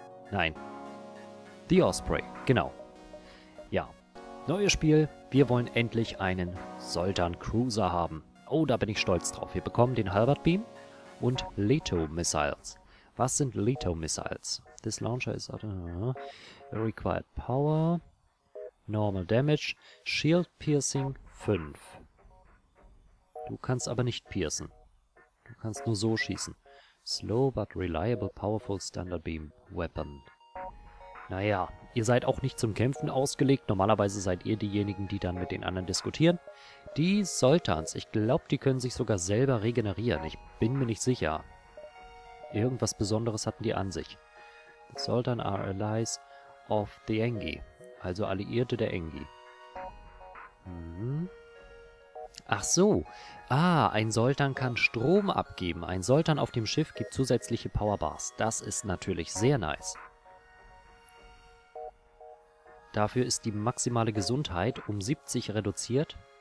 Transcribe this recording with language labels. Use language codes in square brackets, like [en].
[de] Nein. The Osprey, genau. Ja, neues Spiel. Wir wollen endlich einen Zoltan Cruiser haben. Oh, da bin ich stolz drauf. Wir bekommen den Halberd Beam und Leto Missiles. Was sind Leto Missiles? [en] This launcher is required power, normal damage, shield piercing 5. [de] Du kannst aber nicht piercen. Du kannst nur so schießen. [en] Slow but reliable powerful standard beam weapon. [de] Naja, ihr seid auch nicht zum Kämpfen ausgelegt. Normalerweise seid ihr diejenigen, die dann mit den anderen diskutieren. Die Zoltans, ich glaube, die können sich sogar selber regenerieren. Ich bin mir nicht sicher. Irgendwas Besonderes hatten die an sich. [en] The Zoltan are allies of the Engi. [de] Also Alliierte der Engi. Mhm. Ach so. Ah, ein Zoltan kann Strom abgeben. Ein Zoltan auf dem Schiff gibt zusätzliche Powerbars. Das ist natürlich sehr nice. Dafür ist die maximale Gesundheit um 70 reduziert.